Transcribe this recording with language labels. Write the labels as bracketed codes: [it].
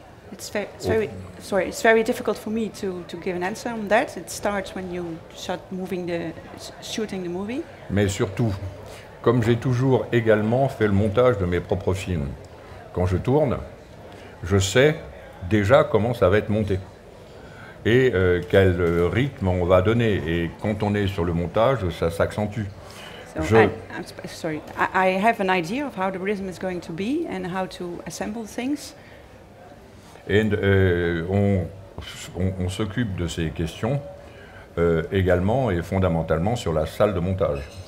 [en] It's very difficult for me to give an answer on that. It starts when you start shooting the movie. [fr] Mais surtout, comme j'ai toujours également fait le montage de mes propres films, quand je tourne, je sais déjà comment ça va être monté et quel rythme on va donner. Et quand on est sur le montage, ça s'accentue. [en] I have an idea of how the rhythm is going to be and how to assemble things. And [fr] on s'occupe de ces questions également et fondamentalement sur la salle de montage.